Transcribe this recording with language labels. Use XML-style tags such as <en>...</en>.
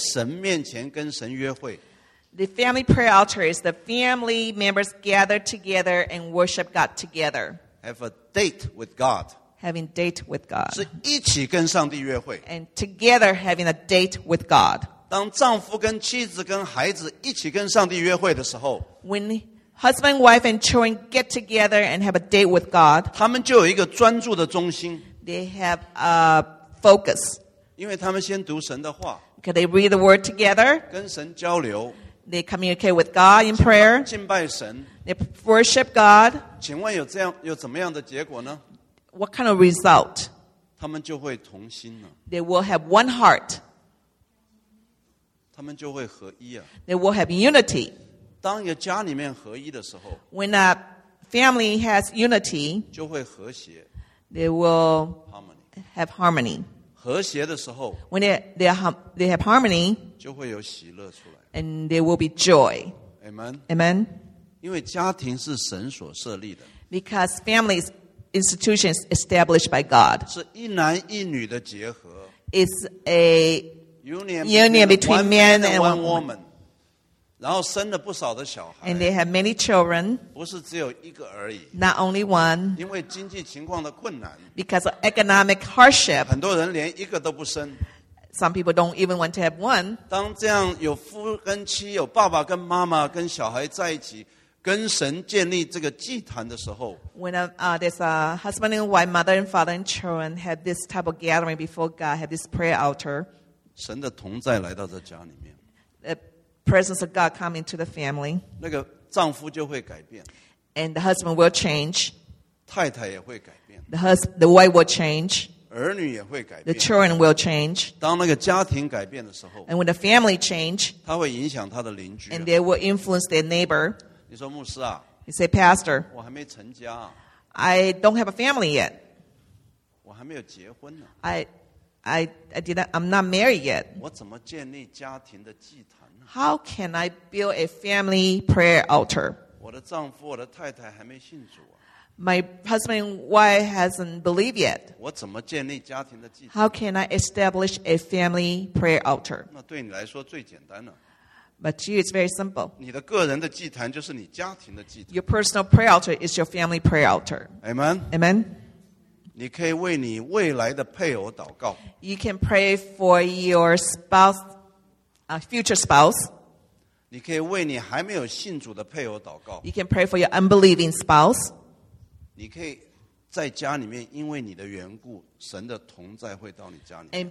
<zh>家人在一起的祭坛是家人一起来在神面前跟神约会。</zh> <en>The family prayer altar is the family members gather together and worship God together. Have a date with God. Having date with God.</en> <zh>是一起跟上帝约会,</zh> <en>and together having a date with God.</en> <zh>当丈夫跟妻子跟孩子一起跟上帝约会的时候,</zh> <en>when husband, wife, and children get together and have a date with God,</en> <zh>他们就有一个专注的中心,</zh> <en>they have a focus.</en> <zh>因为他们先读神的话,</zh> <en>can they read the word together?</en> <zh>跟神交流,</zh> <en>they communicate with God in prayer.</en> <zh>敬拜神,</zh> <en>they worship God.</en> <zh>请问有怎么样的结果呢?</zh> <en>What kind of result?</en> <zh>他们就会同心了,</zh> <en>they will have one heart.</en> <zh>他们就会合一啊,</zh> <en>they will have unity.</en> <zh>当一个家里面合一的时候,</zh> <en>when a family has unity,</en> <zh>就会和谐,</zh> <en>they will harmony. Have harmony.</en> <zh>和谐的时候,</zh> <en>when they have harmony,</en> <zh>就会有喜乐出来,</zh> <en>and there will be joy. Amen. Amen.</en> <zh>因为家庭是神所设立的,</zh> <en>because families institutions established by God.</en> <zh>是一男一女的结合,</zh> <en>is a union between men and one woman.</en> <zh>然后生了不少的小孩。</zh> <en>And they have many children.</en> <zh>不是只有一个而已。</zh> <en>Not only one.</en> <zh>因为经济情况的困难。</zh> <en>Because of economic hardship.</en> <zh>很多人连一个都不生。</zh> <en>Some people don't even want to have one.</en> <zh>当这样有夫跟妻，有爸爸跟妈妈跟小孩在一起，跟神建立这个祭坛的时候</zh> <en>，When there's a husband and wife, mother and father and children have this type of gathering before God, have this prayer altar.</en> <zh>神的同在来到这家里面</zh> <en>，The presence of God coming to the family.</en> <zh>那个丈夫就会改变</zh> <en>，And the husband will change.</en> <zh>太太也会改变</zh> <en>，The wife will change.</en> <zh>儿女也会改变</zh> <en>，The children will change.</en> <zh>当那个家庭改变的时候</zh> <en>，And when the family change,</en> <zh>他会影响他的邻居</zh> <en>，And they will influence their neighbor.</en> <zh>你说牧师啊</zh> <en>You say, Pastor,</en> <zh>我还没成家啊</zh> <en>I don't have a family yet.</en> <zh>我还没有结婚呢</zh> <en>I'm not married yet.</en> <zh>我怎么建立家庭的祭坛呢</zh> <en>How can I build a family prayer altar?</en> <zh>我的丈夫我的太太还没信主啊</zh> <en>My husband and wife hasn't believed yet.</en> <zh>我怎么建立家庭的祭坛</zh> <en>How can I establish a family prayer altar?</en> <zh>那对你来说最简单了</zh> <en>But to you, it's very simple.</en> <zh>你的个人的祭坛就是你家庭的祭坛。</zh> <en>Your personal prayer altar is your family prayer altar. Amen. Amen.</en> <zh>你可以为你未来的配偶祷告。</zh> <en>You can pray for your spouse, future spouse.</en> <zh>你可以为你还没有信主的配偶祷告。</zh> <en>You can pray for your unbelieving spouse.</en> <zh>你可以在家里面因为你的缘故，神的同在会到你家里面。</zh>